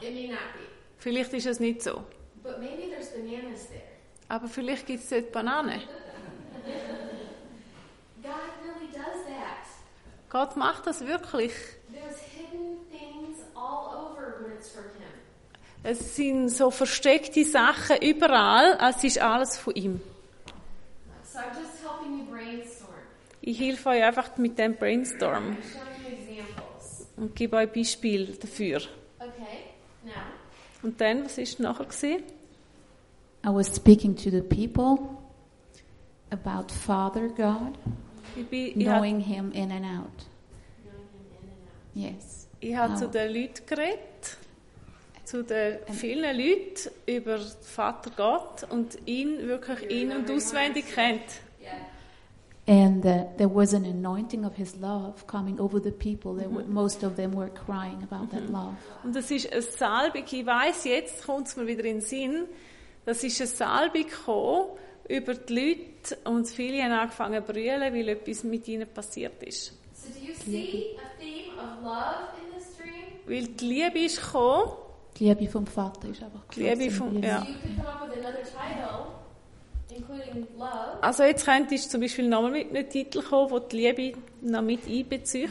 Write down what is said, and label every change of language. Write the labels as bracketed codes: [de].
[en] It may not be. [de] Vielleicht ist es nicht so. [en] But maybe there's bananas there. [de] Aber vielleicht gibt es dort Bananen. [en] God really does that. [de] Gott macht das wirklich. [en] There's hidden things all over when it's from him. [de] Es sind so versteckte Sachen überall, es ist alles von ihm. [en] So I'm just helping you brainstorm. [de] Ich helfe euch einfach mit dem Brainstorm. [en] I'm showing you examples. [de] Und gebe euch Beispiele dafür. [en] Okay. Now. [de] Und dann, was war nachher? Gewesen? [en] I was speaking to the people about Father God, knowing him in and out. Yes. [de] Ich habe zu den Leuten geredet. Zu den vielen Leuten über Vater Gott und ihn wirklich in- und auswendig kennt. [en] And there was an anointing of his love coming over the people. There were, most of them were crying about that love. [de] Und das ist eine Salbung. Ich weiss, jetzt kommt es mir wieder in den Sinn. Das ist eine Salbung gekommen, über die Leute und viele haben angefangen zu brüllen, weil etwas mit ihnen passiert ist. [en] So do you see a theme of love in this dream? [de] Weil die Liebe ist gekommen. Die Liebe vom Vater ist einfach die Liebe vom, ja. [en] So you could come up with another title, including love. [de] Also jetzt könntest du zum Beispiel nochmal mit einem Titel kommen, wo die Liebe noch mit einbezieht.